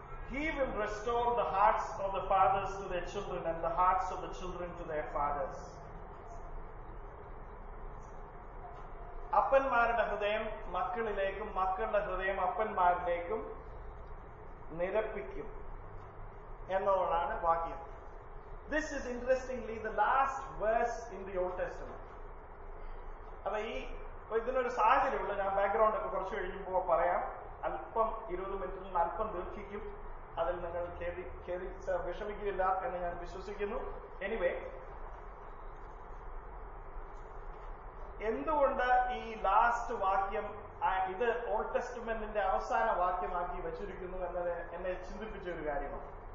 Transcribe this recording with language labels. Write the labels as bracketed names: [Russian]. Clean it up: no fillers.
[English] He will restore the hearts of the fathers to their children and the hearts of the children to their fathers. [Malayalam] അപ്പന്മാരുടെ ഹൃദയം മക്കളിലേക്കും മക്കളുടെ ഹൃദയം അപ്പന്മാരിലേക്കും നിരപ്പിക്കും എന്നുള്ളതാണ് വാക്യം. [English] This is interestingly the last verse in the Old Testament. [Malayalam] അപ്പൊ ഈ ഇതിനൊരു സാഹചര്യമുള്ള ഞാൻ background ഒക്കെ കുറച്ച് കഴിയുമ്പോൾ പറയാം. അല്പം 20 മിനിറ്റിൽ നിന്ന് അല്പം ദീർഘിക്കും, അതിൽ നിങ്ങൾ വിഷമിക്കില്ല എന്ന് ഞാൻ വിശ്വസിക്കുന്നു. എനിവേ, എന്തുകൊണ്ട് ഈ ലാസ്റ്റ് വാക്യം ഇത് ഓൾഡ് ടെസ്റ്റമെന്റിന്റെ അവസാന വാക്യമാക്കി വെച്ചിരിക്കുന്നു എന്നത് എന്നെ ചിന്തിപ്പിച്ച ഒരു കാര്യമാണ്.